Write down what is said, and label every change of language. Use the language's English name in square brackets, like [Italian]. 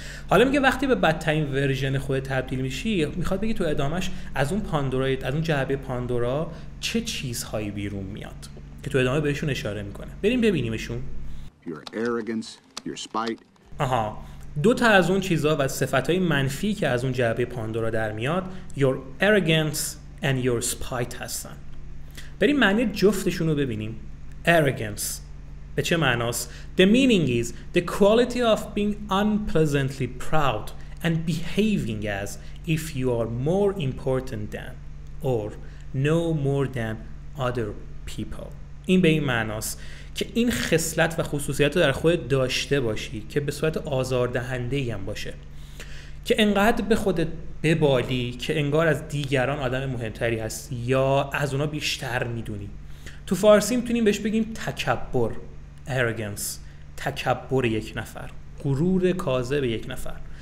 [Persian] حالا میگه وقتی به بدترین ورژن خود تبدیل میشی، میخواد بگه تو ادامهش از اون پاندورا، از اون جعبه پاندورا چه چیزهایی بیرون میاد که تو ادامه بهشون اشاره میکنه. بریم ببینیمشون. [English] Your arrogance, your spite. [Persian] آها، دو تا از اون چیزها و صفتهای منفی که از اون جعبه پاندورا در میاد [English] your arrogance and your spite [Persian] هستن. بریم معنی جفتشون رو ببینیم. [English] Arrogance [Persian] به چه معناست؟ [English] The meaning is the quality of being unpleasantly proud and behaving as if you are more important than or know more than other people. [Persian] این به این معناست که این خصلت و خصوصیت رو در خود داشته باشی که به صورت آزاردهنده ای هم باشه، که انقدر به خودت ببالی که انگار از دیگران آدم مهمتری هستی یا از اونا بیشتر میدونی. تو فارسی میتونیم بهش بگیم تکبر، arrogance، تکبر یک نفر، غرور کاذب یک نفر.